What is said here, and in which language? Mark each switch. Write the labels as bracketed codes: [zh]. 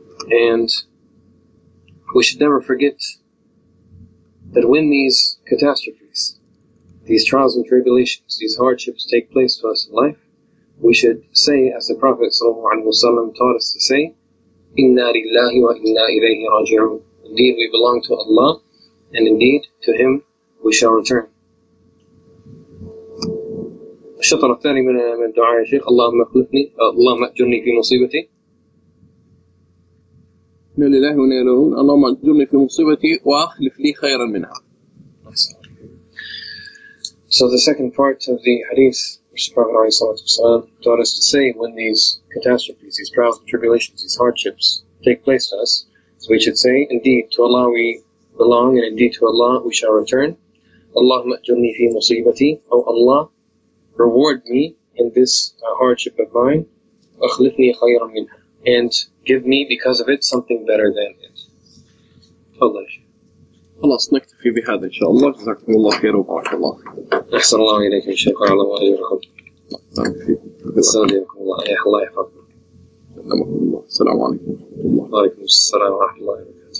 [en] And we should never forget that when these catastrophes, these trials and tribulations, these hardships take place to us in life, we should say, as the Prophet ﷺ taught us to say, [ar] إِنَّا لِلَّهِ وَإِنَّا إِلَيْهِ رَاجِعُونَ. [en] Indeed, we belong to Allah, and indeed, to Him, we shall return. [ar] الشطر الثاني من الدعاء يا شيخ اللهم اخلفني اللهم اجرني في مصيبتي إنا لله وإنا إليه راجعون اللهم اجرني في مصيبتي واخلف لي خيرا منها. [en] So the second part of the hadith, which the Prophet ﷺ taught us to say when these catastrophes, these trials and tribulations, these hardships take place to us, so we should say, indeed, to Allah we belong, and indeed to Allah we shall return. [ar] Allahumma ajurni fi musibati. [en] O Allah, reward me in this hardship of mine. [ar] Akhlifni khayran minha. [en] And give me, because of it, something better than it. Allah. [ar] خلاص نكتفي بهذا إن شاء الله جزاكم الله خير وبارك الله أحسن الله إليك إن شاء الله وعلى يرحم السلام عليكم الله يا الله يحفظكم السلام عليكم وعليكم السلام ورحمة الله وبركاته